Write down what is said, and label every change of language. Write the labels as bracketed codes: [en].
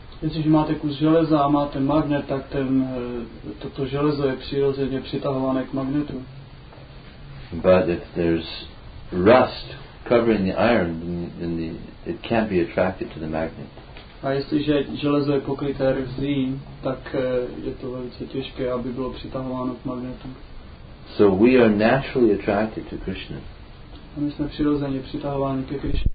[cs] Jestliže máte kus železa a máte magnet, tak toto železo je přirozeně přitahované k magnetu. [en] But if there's rust covering the iron, then it can't be attracted to the magnet. [cs] A jestliže železo je pokryté rzí, tak je to velice těžké, aby bylo přitahováno k magnetu. [en] So we are naturally attracted to Krishna. [cs] A my jsme přirozeně přitahováni ke Krishna.